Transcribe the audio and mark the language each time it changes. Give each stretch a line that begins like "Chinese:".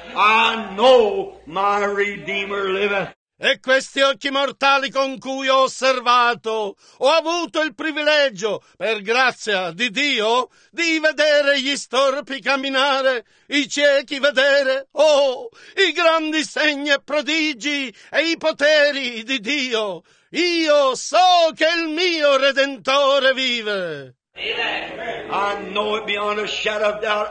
English: I know my Redeemer liveth.
Italian: E questi occhi mortali con cui ho osservato, ho avuto il privilegio, per grazia di Dio, di vedere gli storpi camminare, i ciechi vedere, oh, i grandi segni e prodigi e i poteri di Dio. Io so che il mio Redentore vive.
English: I know it beyond a shadow of doubt.